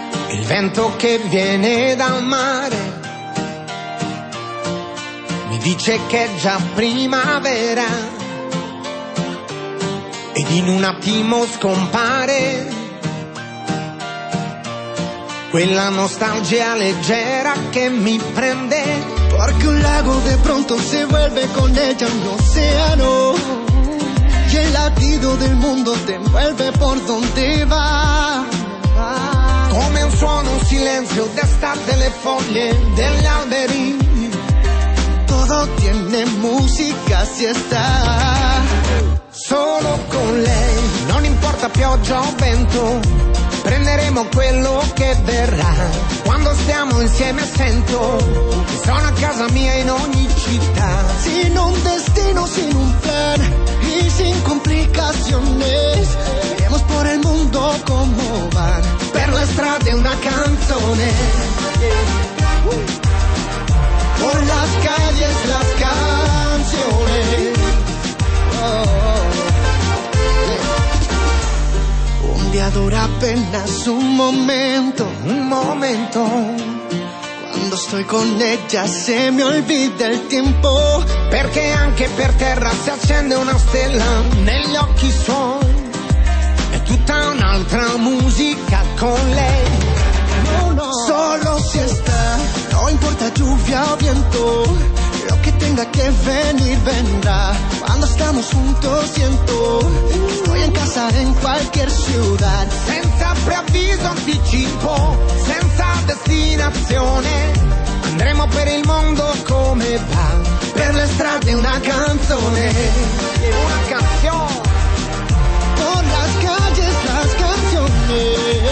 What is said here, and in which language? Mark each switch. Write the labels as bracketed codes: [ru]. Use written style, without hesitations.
[it] Il vento che viene dal mare mi dice che è già primavera ed in un attimo scompare quella nostalgia leggera che mi prende. [es] Porque un lago de pronto se vuelve con ella un océano y el latido del mundo te envuelve por donde va. Come un suono, un silenzio d'estate, le foglie degli alberi. Todo tiene música si está [it] solo con lei. Non importa pioggia o vento, prenderemo quello che verrà. Quando stiamo insieme sento che sono a casa mia in ogni città. [es] Sin un destino, sin un plan y sin complicaciones, iremos por el mundo como van. [it] Per la strada una canzone. [es] Por las calles las canciones. Un día dura apenas un momento, cuando estoy con ella se me olvida el tiempo, [it] perché anche per terra si accende una stella negli occhi suoi, è tutta un'altra musica con lei. [es] No, no. [it] Solo si sta, [es] no importa lluvia o viento, lo que tenga que venir vendrá. Cuando estamos juntos siento que estoy en casa en cualquier ciudad. [it] Senza preavviso anticipo, senza destinazione, andremo per il mondo come va, per le strade una canzone. [es] Una canción. Por las calles las canciones.